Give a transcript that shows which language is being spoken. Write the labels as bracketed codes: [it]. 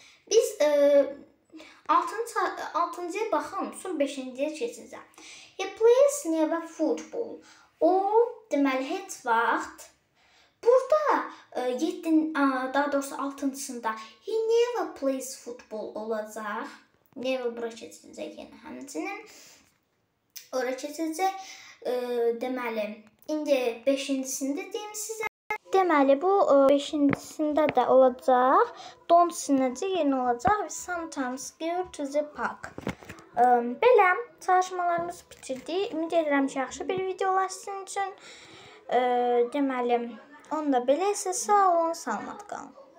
[az] Biz 6-cıya baxım, sonra 5-ciyə keçəcəm. [en] He plays never football. [az] O, deməli, heç vaxt burada 6-cısında [en] he never plays football [az] olacaq. Never bura keçəcək yenə həmçinin. Ora keçəcək. Deməli, indi 5-cisində deyim sizə. Deməli, bu 5-cisində də olacaq. Don't sinəcək yenə olacaq. [en] We sometimes go to the park. [az] Belə çalışmalarımızı bitirdik. Ümid edirəm ki, yaxşı bir video olar sizin üçün. Deməli, onda belə isə sağ olun, salamat qalın.